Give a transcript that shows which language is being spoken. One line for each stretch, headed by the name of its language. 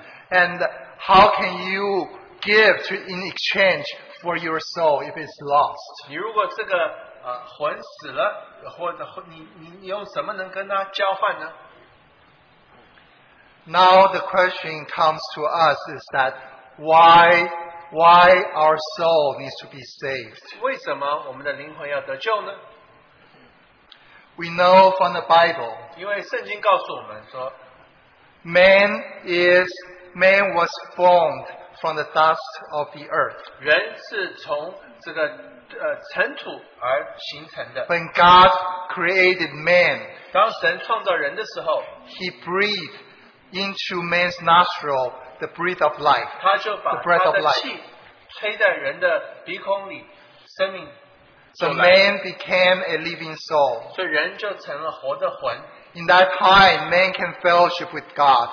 English: And how can you give to in exchange for your soul if it's lost?
Chinese: 你如果这个, 魂死了, 或者你用什么能跟他交换呢?
English: Now the question comes to us is that why our soul needs to be saved?
Chinese: 为什么我们的灵魂要得救呢?
English: We know from the Bible,
Chinese: 因为圣经告诉我们说,
English: man was formed from the dust of the earth.
Chinese: 人是从这个, 尘土而形成的,
English: when God created man,
Chinese: 当神创造人的时候,
English: he breathed into man's nostril the breath of life, the breath of life. So man became a living soul. In that time, man can fellowship with God.